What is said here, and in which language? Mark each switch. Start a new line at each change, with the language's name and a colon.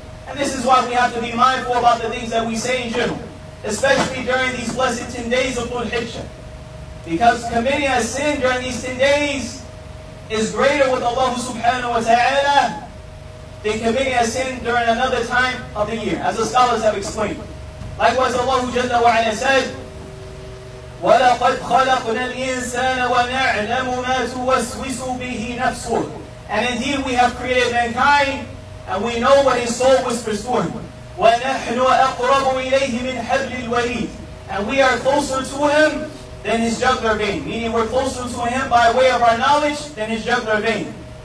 English: And this is why we have to be mindful about the things that we say in general, especially during these blessed 10 days of Dhul Hijjah. Because committing a sin during these 10 days is greater with Allah subhanahu wa ta'ala than committing a sin during another time of the year, as the scholars have explained. Likewise, Allah jalla wa ala said,
Arabic: وَلَقَدْ خَلَقْنَا الْإِنسَانَ وَنَعْلَمُ مَا تُوَسْوِسُ بِهِ نَفْسُهُ.
English: And indeed we have created mankind and we know what his soul whispers to him.
Arabic: وَنَحْنُ أَقْرَبُ إِلَيْهِ مِنْ حَبْلِ الْوَرِيدِ.
English: And we are closer to him than his jugular vein. Meaning we're closer to him by way of our knowledge than his jugular vein.